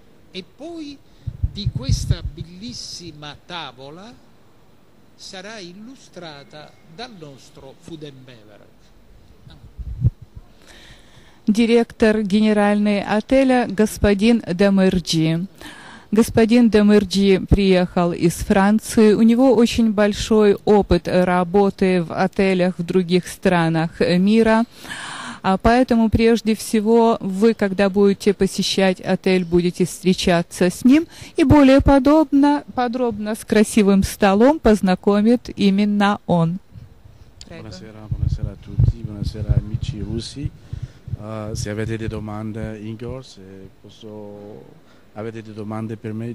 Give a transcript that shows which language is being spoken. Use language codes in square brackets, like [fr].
[it] E poi di questa bellissima tavola sarà illustrata dal nostro [en] food and beverage. [ru] Директор генеральный отеля господин Демерджи. Господин Демерджи приехал из Франции. У него очень большой опыт работы в отелях в других странах мира. А поэтому, прежде всего, вы, когда будете посещать отель, будете встречаться с ним. И более подробно с красивым столом познакомит именно он. [it] Buonasera, buonasera a tutti, buonasera amici russi. Se avete delle domande, Igor, se posso... Avete delle domande per me?